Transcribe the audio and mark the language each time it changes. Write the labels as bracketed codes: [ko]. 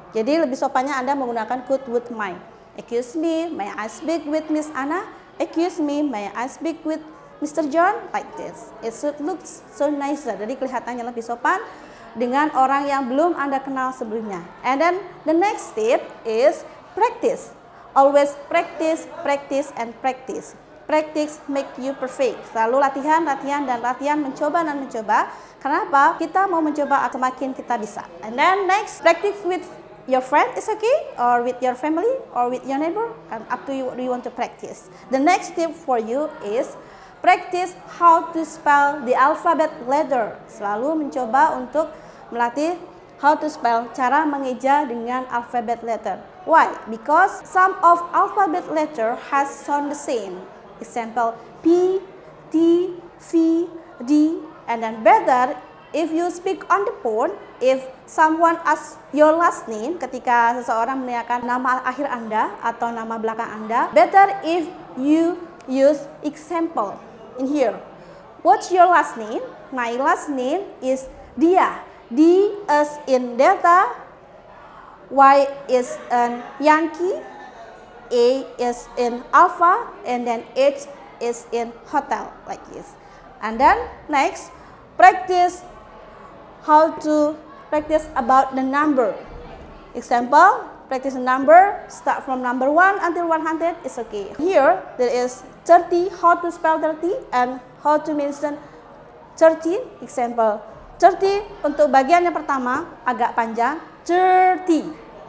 [id] Jadi lebih sopannya Anda menggunakan could, would, might. [en] Excuse me, may I speak with Miss Anna? Excuse me, may I speak with Mr. John, like this. It looks so nicer. [id] Jadi kelihatannya lebih sopan dengan orang yang belum Anda kenal sebelumnya. [en] And then the next tip is practice. Always practice, practice, and practice. Practice make you perfect. [id] Selalu latihan, latihan, dan latihan, mencoba dan mencoba. Kenapa? Kita mau mencoba atau makin kita bisa. [en] And then next, practice with your friend is okay, or with your family, or with your neighbor. And up to you what you want to practice. The next tip for you is practice how to spell the alphabet letter. [id] Selalu mencoba untuk melatih [en] how to spell, [id] cara mengeja dengan alphabet letter. [en] Why? Because some of alphabet letter has sound the same. Example, P, T, V, D. And then better, if you speak on the phone, if someone asks your last name, [id] ketika seseorang menanyakan nama akhir Anda atau nama belakang Anda, [en] better if you use example. In here, what's your last name? My last name is Dyah. D as in Delta, Y is an Yankee, A is in Alpha, and then H is in Hotel, like this. And then next, practice how to practice about the number. Example, practice a number, start from number 1 until 100, it's okay. Here, there is 30, how to spell 30, and how to mention 13. Example, [id] 30 untuk bagian yang pertama agak panjang, 30.